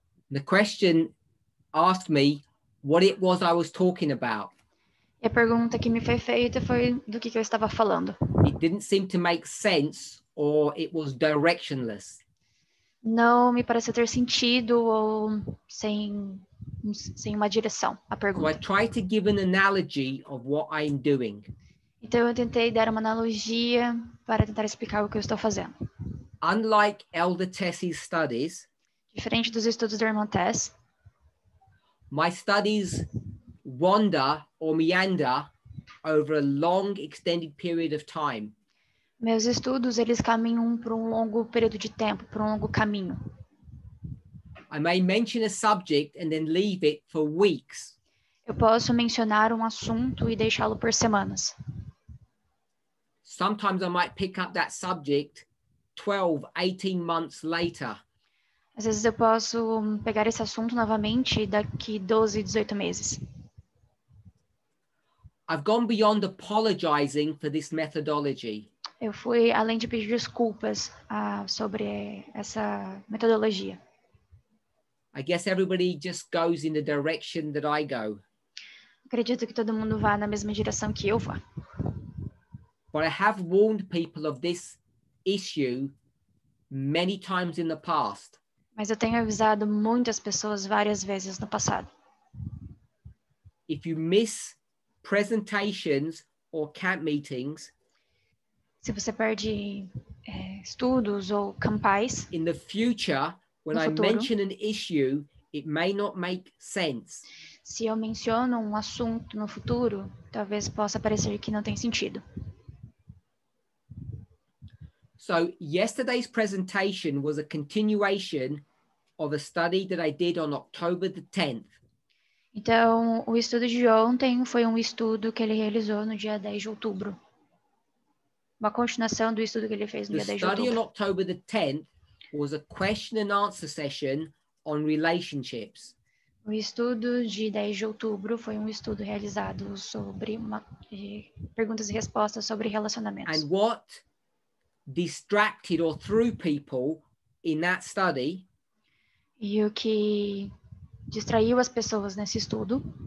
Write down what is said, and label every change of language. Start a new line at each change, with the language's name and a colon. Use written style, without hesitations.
English: The question asked me what it was I was talking about.
Portuguese: E a pergunta que me foi feita foi do que eu estava falando.
English: It didn't seem to make sense or it was directionless.
Portuguese: Não me parece ter sentido ou sem uma direção, a pergunta.
English: So I try to give an analogy of what I'm doing.
Portuguese: Então eu tentei dar uma analogia para tentar explicar o que eu estou fazendo.
English: Unlike Elder Tess's studies,
Portuguese: diferente dos estudos da irmã Tess,
English: my studies wander or meander over a long extended period of time.
Portuguese: Meus estudos, eles caminham por um longo período de tempo, por um longo caminho.
English: I may mention a subject and then leave it for weeks.
Portuguese: Eu posso mencionar um assunto e deixá-lo por semanas.
English: Sometimes I might pick up that subject 12, 18 months later.
Portuguese: Às vezes eu posso pegar esse assunto novamente daqui 12, 18 meses.
English: I've gone beyond apologizing for this methodology.
Portuguese: Eu fui além de pedir desculpas sobre essa metodologia.
English: I guess everybody just goes in the direction that I go.
Portuguese: Acredito que todo mundo vá na mesma direção que eu vá.
English: But I have warned people of this issue many times in the past.
Portuguese: Mas eu tenho avisado muitas pessoas várias vezes no passado.
English: If you miss presentations or camp meetings.
Portuguese: Se você perde estudos ou campais.
English: In the future, when I mention an issue, it may not make sense.
Portuguese: Se eu menciono um assunto no futuro, talvez possa parecer que não tem sentido.
English: So, yesterday's presentation was a continuation of a study that I did on October the 10th.
Portuguese: Então, o estudo de ontem foi um estudo que ele realizou no dia 10 de outubro. Uma continuação do estudo que ele fez no dia 10 de outubro.
English: The study on October the 10th was a question and answer session on relationships.
Portuguese: O estudo de 10 de outubro foi um estudo realizado sobre perguntas e respostas sobre relacionamentos.
English: And what distracted or threw people in that study?
Portuguese: E o que distraiu as pessoas nesse estudo?